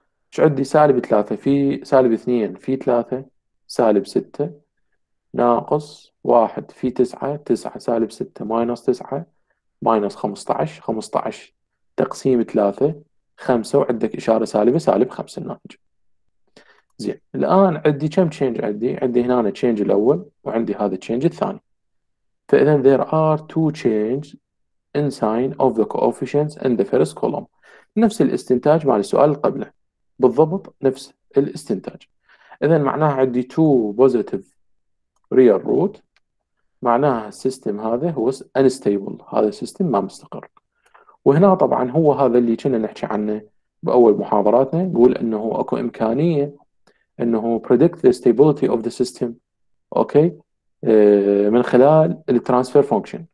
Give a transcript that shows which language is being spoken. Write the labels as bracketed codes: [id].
[ar] شو عندي؟ سالب 3 في سالب 2 في 3 سالب 6 ناقص 1 في 9، 9 سالب 6 ماينص 9 ماينص 15، 15 تقسيم 3 5، وعندك إشارة سالبة سالب 5 الناتج. زين، الآن عندي كم تشينج؟ عندي هنا تشينج الأول، وعندي هذا تشينج الثاني. فإذا [en] there are two change in sign of the coefficients in the first column. [ar] نفس الاستنتاج مع السؤال اللي قبله، بالضبط نفس الاستنتاج. إذا معناها عندي [en] two positive real root، [ar] معناها السيستم هذا هو unstable، هذا السيستم ما مستقر. وهنا طبعا هو هذا اللي كنا نحكي عنه بأول محاضراتنا، نقول انه اكو إمكانية انه [en] predict the stability of the system، [ar] اوكي، من خلال الترانسفير فانكشن.